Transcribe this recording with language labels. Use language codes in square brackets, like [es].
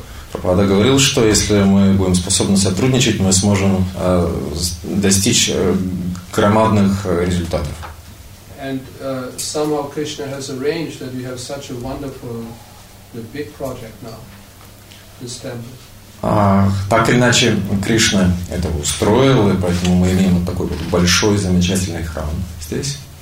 [ru] Прабхупада говорил, что если мы будем способны сотрудничать, мы сможем достичь громадных результатов. [en] And somehow Krishna has arranged that we have such a wonderful, the big project now, this temple. [ru] Так или иначе, Кришна это устроил, и поэтому мы имеем вот такой вот большой, замечательный храм здесь.